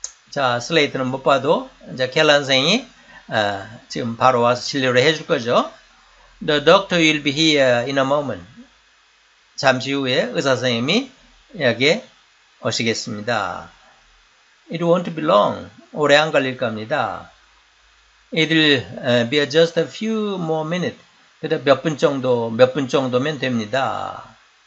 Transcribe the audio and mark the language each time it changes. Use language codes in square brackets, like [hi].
[ko] 자, 슬레이트는 못 봐도, 이제 켈란 선생이 지금 바로 와서 진료를 해줄 거죠. [en] The doctor will be here in a moment. [ko] 잠시 후에 의사 선생님이 여기에 오시겠습니다. [en] It won't be long. [ko] 오래 안 걸릴 겁니다. [en] It will be just a few more minutes. [ko] 그래도 몇 분 정도면 됩니다.